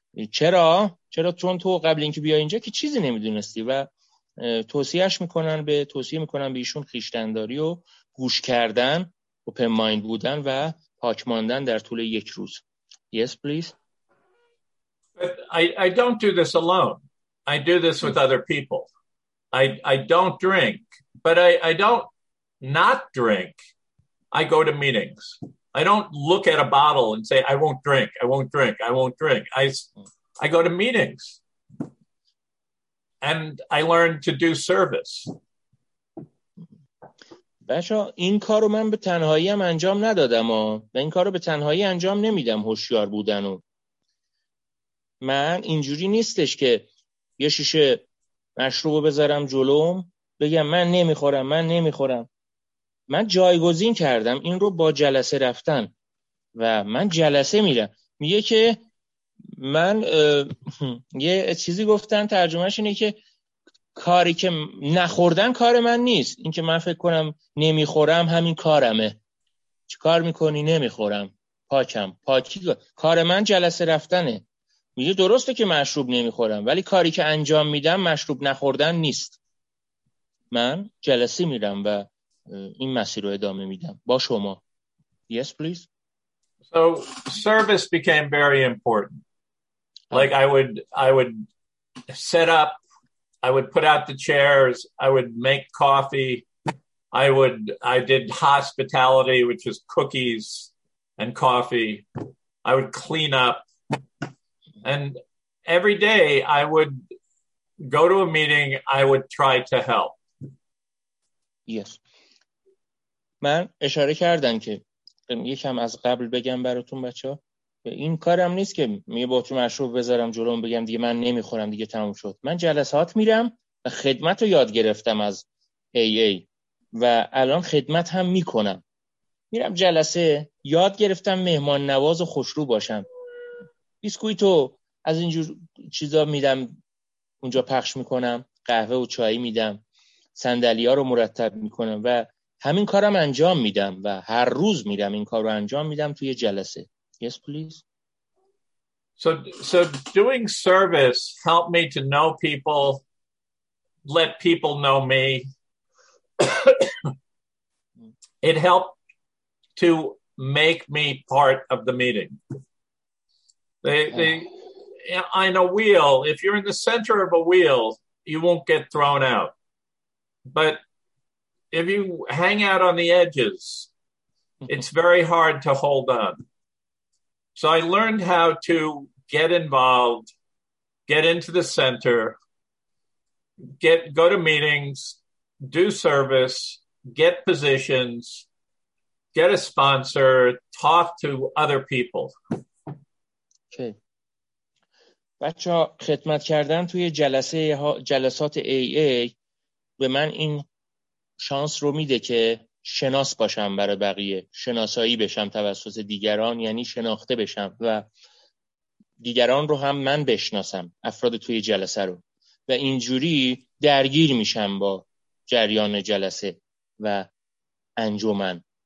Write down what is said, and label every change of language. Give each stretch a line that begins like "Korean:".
Persian: چرا؟ چون تو قبل اینکه بیای اینجا که چیزی نمیدونستی. و توصیه میکنن به ایشون خیشتنداری و گوش کردن،
English: open mind
Persian: بودن و پاک ماندن در طول یک روز.
English: Yes, please. But I don't do this alone. I do this with other people. I don't drink, but I don't not drink. I go to meetings. I don't look at a bottle and say I won't drink. I won't drink. I won't drink. I go to meetings. And I learned to do service.
Persian: بچه ها این کارو من به تنهایی هم انجام ندادم و این کارو به تنهایی انجام نمیدم هوشیار بودن و من اینجوری نیستش که یه شیشه مشروبو بذارم جلوم بگم من نمیخورم من نمیخورم. من جایگزین کردم این رو با جلسه رفتن و من جلسه میرم. میگه که من یه چیزی گفتن ترجمهش اینه که کاری که نخوردن کار من نیست، این که من فکر کنم نمیخورم همین کارمه. چی کار میکنی؟ نمیخورم، پاکم، پاکی. کار من جلسه رفتنه. میگه درسته که مشروب نمیخورم، ولی کاری که انجام میدم مشروب نخوردن نیست. من جلسه میرم و این مسیر رو ادامه میدم با شما.
English: Yes, please. So service became very important. Like I would set up, I would put out the chairs, I would make coffee, I did hospitality, which is cookies and coffee. I would clean up. And every day I would go to a meeting, I would try to help. Yes.
Persian: من اشاره کردم که یکم از قبل بگم براتون بچه ها، این کارم نیست که میگه با تو مشروب بذارم جلوم بگم دیگه من نمیخورم دیگه تموم شد. من جلسات میرم و خدمت رو یاد گرفتم از AA و الان خدمت هم میکنم. میرم جلسه یاد گرفتم مهمان نواز و خوشرو باشم، بیسکویت و از اینجور چیزا میدم اونجا پخش میکنم، قهوه و چایی میدم، صندلی ها رو مرتب میکنم و همین کارم انجام میدم و هر روز میرم این کار رو انجام میدم توی جلسه.
English: Yes, please. So doing service helped me to know people, let people know me. It helped to make me part of the meeting. They in a wheel, if you're in the center of a wheel, you won't get thrown out. But if you hang out on the edges, it's very hard to hold on. So I learned how to get involved, get into the center, go to meetings, do service, get positions, get a sponsor, talk to other people. Okay.
Persian: بچه ها، خدمت کردن توی جلسات AA به من این شانس رو میده که شناس باشم برای بقیه، شناسایی بشم توسط دیگران، یعنی شناخته بشم و دیگران رو هم من بشناسم، افراد توی جلسه رو، و اینجوری درگیر میشم با جریان جلسه و انجمن.